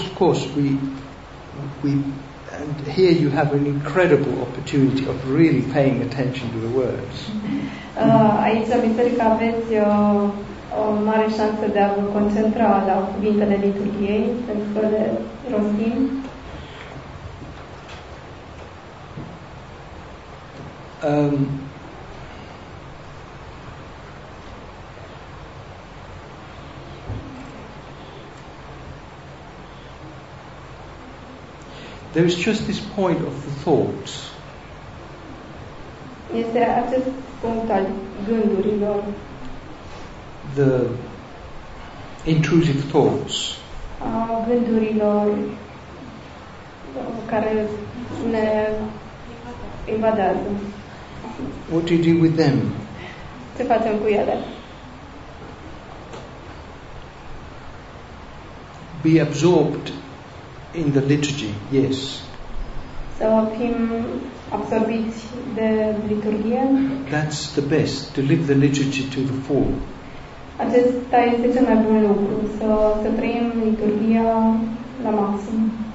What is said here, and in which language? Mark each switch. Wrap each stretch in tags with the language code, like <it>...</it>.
<en>of course, we and here you have an incredible opportunity of really paying attention to the words.</en> <ro>Aici la biserică aveți o mare șansă de a vă concentra la cuvintele liturgiei pentru că le rostim.</ro> <en>There is just this point of the thoughts.</en> <ro>Este acest punct al gândurilor.</ro> <en>The intrusive thoughts.</en> <ro>Gândurilor care ne invadează.</ro> <en>What do you do with them?</en> <ro>Ce facem cu ele?</ro> <en>Be absorbed in the liturgy, yes.</en> <ro>Să fim absorbiți de liturgie.</ro> <en>That's the best, to live the liturgy to the full.</en> <ro>Acesta este cel mai bun lucru, să trăim liturgia la maxim.</ro>